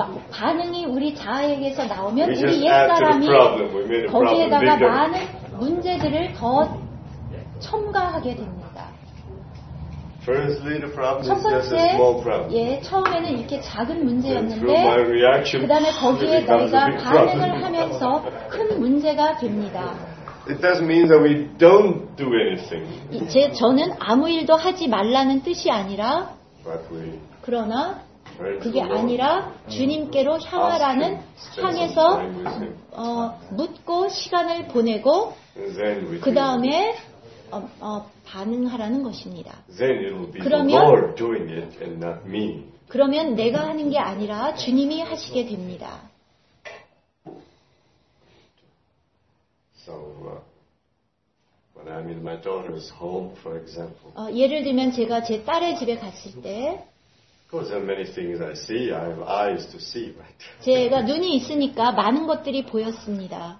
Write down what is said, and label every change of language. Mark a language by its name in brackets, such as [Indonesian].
[Korean] 반응이 우리 자아에게서 나오면 우리 옛사람이 거기에다가 많은 문제들을 더 첨가하게 됩니다. 첫 번째, 처음에는 이렇게 작은 문제였는데 그 다음에 거기에 내가 반응을 하면서 큰 문제가 됩니다. [English] It doesn't mean that we don't do anything. [Korean] 저는 아무 일도 하지 말라는 뜻이 아니라 그러나 그게 아니라 주님께로 향하라는 향해서 묻고 시간을 보내고 그 다음에 반응하라는 것입니다. [English] Then it will be 그러면, the Lord doing it and not me. [Korean] 그러면 내가 하는 게 아니라 주님이 하시게 됩니다. [English] So, when I'm in my daughter's home, for example. [Korean] 예를 들면 제가 제 딸의 집에 갔을 때. [English] Of course, there are many things I see. I have eyes to see, right? [Korean] 제가 눈이 있으니까 많은 것들이 보였습니다.